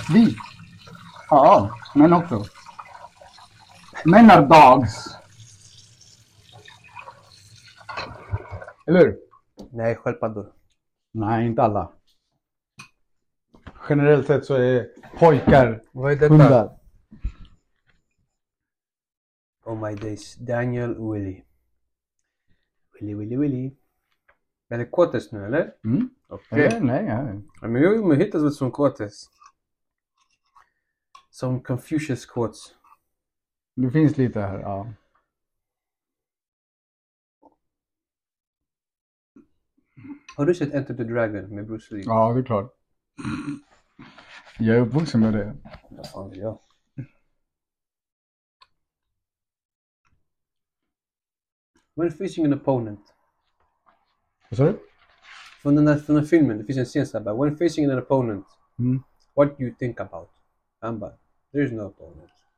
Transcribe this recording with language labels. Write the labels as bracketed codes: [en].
[sv] Vi. Ja, män också. [en] Men are dogs. [sv] Eller Nej, sköldpaddor. hur? Nej, inte alla. Generellt sett så är pojkar Vad är detta? hundar. [en] Oh my days, Daniel Willy. Willy, Willy, Willy. [sv] Är det kåtes nu eller? Okej. [en] Okay. [sv] Nej, nej. Ja. Men jag hittas väl som kåtes. Som Confucius quotes. Det finns lite här, ja. Har du sett Enter the Dragon med Bruce Lee? Ja, det är klart. Jag är uppvuxen med det. Ja, fan det jag. [en] When facing an opponent. [sv] Vad sa du? Från den filmen, det finns en scen såhär. [en] When facing an opponent, what do you think about? [sv] Han bara, [en] there is no opponent.